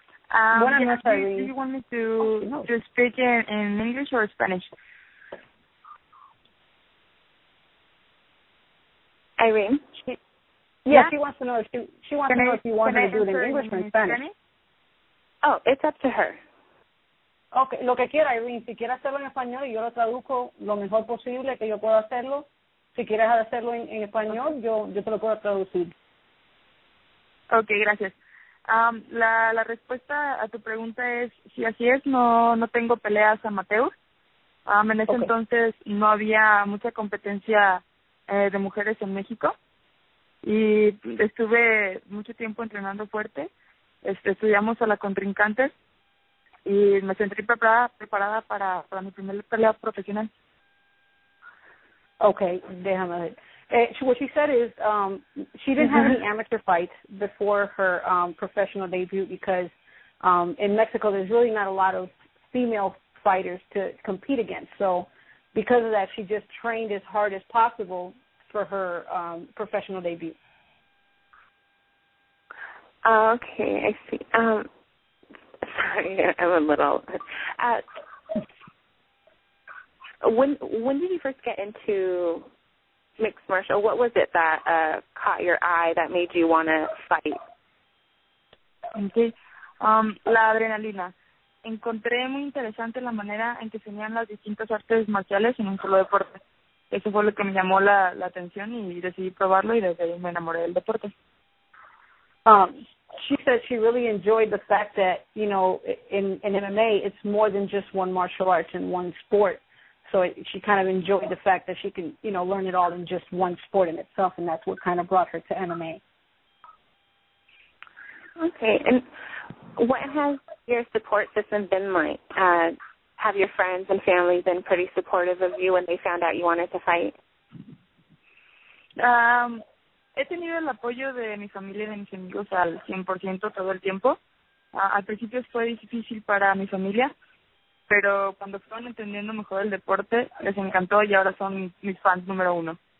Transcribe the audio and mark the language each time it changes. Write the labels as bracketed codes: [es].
[en] Do you want me to just speak in English or Spanish? Irene? She wants to know if you want to do it in English or in Spanish. Oh, it's up to her. [es] Okay, lo que quiera, Irene. Si quiere hacerlo en español, yo lo traduzco lo mejor posible que yo pueda hacerlo. Si quieres hacerlo en español, yo te lo puedo traducir. Okay, gracias. La respuesta a tu pregunta es, si así es, no tengo peleas amateur. En ese entonces no había mucha competencia de mujeres en México. Y estuve mucho tiempo entrenando fuerte. Estudiamos a la contrincante. Y me sentí preparada para mi primera pelea profesional. Okay, déjame ver. [en] What she said is she didn't have any amateur fights before her professional debut because in Mexico there's really not a lot of female fighters to compete against. So because of that, she just trained as hard as possible for her professional debut. Okay, I see. Sorry, I'm a little... When did you first get into mixed martial? What was it that caught your eye that made you want to fight? [es] Okay, la adrenalina. encontré muy interesante la manera en que se unían las distintas artes marciales en un solo deporte. Eso fue lo que me llamó la atención y decidí probarlo y desde ahí me enamoré del deporte. [en] She said she really enjoyed the fact that, you know, in MMA, it's more than just one martial arts and one sport. So she kind of enjoyed the fact that she can, you know, learn it all in just one sport in itself, and that's what kind of brought her to MMA. Okay, and what has your support system been like? Have your friends and family been pretty supportive of you when they found out you wanted to fight? [es] He tenido el apoyo de mi familia y de mis amigos al 100% todo el tiempo. Al principio fue difícil para mi familia, pero cuando fueron entendiendo mejor el deporte, les encantó y ahora son mis fans número uno.